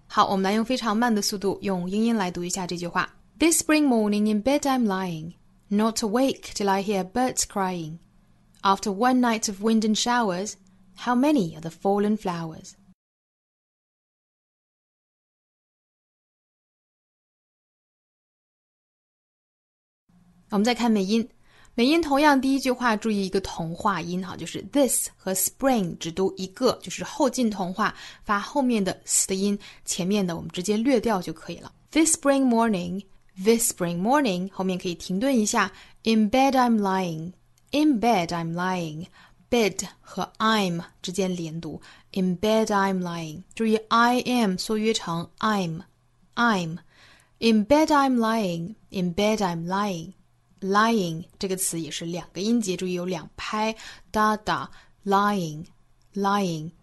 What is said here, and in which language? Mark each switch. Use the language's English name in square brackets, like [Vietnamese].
[Chinese] 好，我们来用非常慢的速度用英音来读一下这句话。 [English] This spring morning in bed I'm lying, not awake till I hear birds crying. After one night of wind and showers, how many are the fallen flowers? [Chinese] 我们再看美音，美音同样第一句话注意一个同化音，就是 this 和 spring 只读一个，就是后进同化，发后面的 s 的音，前面的我们直接略掉就可以了。 [English] This spring morning, this spring morning [Chinese] 后面可以停顿一下。 [English] In bed I'm lying, in bed I'm lying, bed 和 I'm [Chinese] 之间连读。 [English] In bed I'm lying, [Chinese] 注意 [English] I am [Chinese] 缩约成 [English] I'm, I'm. In bed I'm lying, in bed I'm lyingLying [Chinese] 这个词也是两个音节，注意有两拍 [English] da da, lying, lying.